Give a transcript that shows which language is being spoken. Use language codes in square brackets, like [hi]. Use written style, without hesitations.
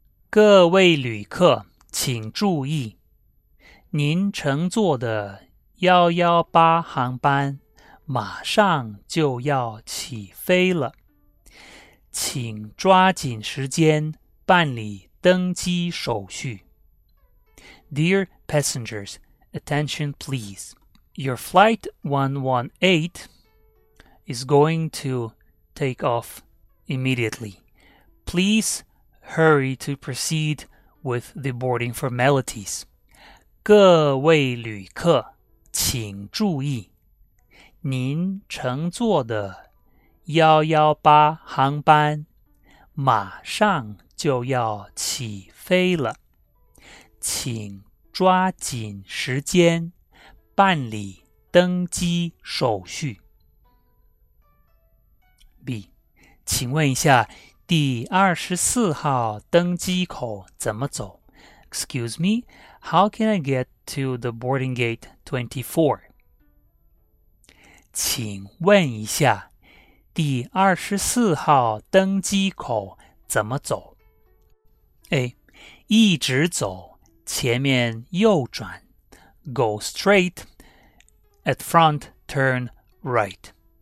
[zh] 各位旅客请注意，您乘坐的118航班马上就要起飞了，请抓紧时间办理登机手续。 [en] Dear passengers, attention please. Your flight 118 is going to take off immediately. Please hurry to proceed with the boarding formalities. [zh] 各位旅客请注意，您乘坐的118航班马上就要起飞了，请抓紧时间办理登机手续。 B. 请问一下第24号登机口怎么走 [en] ?Excuse me, how can I get to the boarding gate 24? [zh] 请问一下第24号登机口怎么走A. 一直走前面右转 [en] Go straight At front turn right